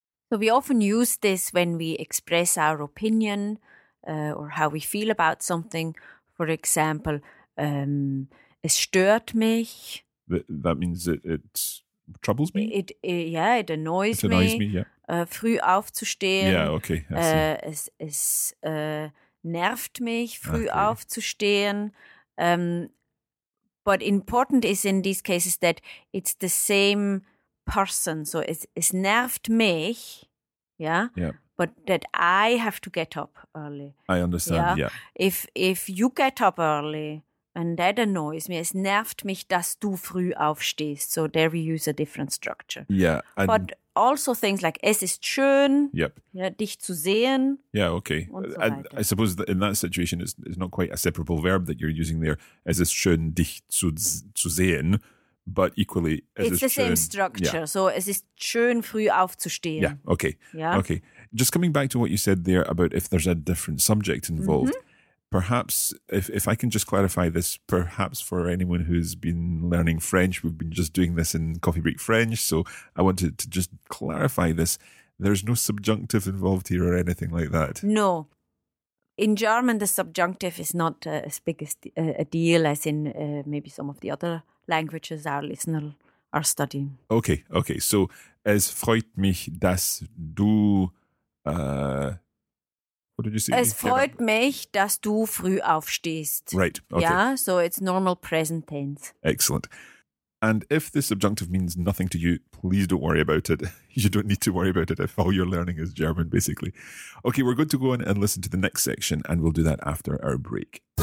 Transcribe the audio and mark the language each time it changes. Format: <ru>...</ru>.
<en>So we often use this when we express our opinion or how we feel about something. For example,</en> <de>es stört mich.</de> <en>That means it troubles me? It annoys me.</en> <de>Früh aufzustehen.</de> <en>Yeah, okay.</en> <de>Es nervt mich, früh aufzustehen.</de> <en>But important is in these cases that it's the same person.</en> <de>So es nervt mich. Yeah?</de> <en>Yeah. But that I have to get up early. I understand, yeah. If you get up early, and that annoys me.</en> <de>Es nervt mich, dass du früh aufstehst.</de> <en>So there we use a different structure. Yeah. But also things like,</en> <de>es ist schön, dich zu sehen.</de> <en>Yeah, okay. And so I suppose that in that situation, it's not quite a separable verb that you're using there.</en> <de>Es ist schön, dich zu sehen.</de> <en>But equally, same structure. Yeah.</en> <de>So es ist schön, früh aufzustehen.</de> <en>Yeah, okay. Yeah. Okay. Just coming back to what you said there about if there's a different subject involved. perhaps if I can just clarify this, perhaps for anyone who's been learning French, we've been just doing this in Coffee Break French. So I wanted to just clarify this. There's no subjunctive involved here or anything like that. No. In German, the subjunctive is not as big as a deal as in maybe some of the other languages our listener are studying. Okay, okay. So</en> <de>es freut mich, dass du...</de> <en>what did you say?</en> <de>Es freut mich, dass du früh aufstehst.</de> <en>Right, okay. Yeah, so it's normal present tense. Excellent. And if the subjunctive means nothing to you, please don't worry about it. You don't need to worry about it if all you're learning is German, basically. Okay, we're going to go on and listen to the next section, and we'll do that after our break.</en>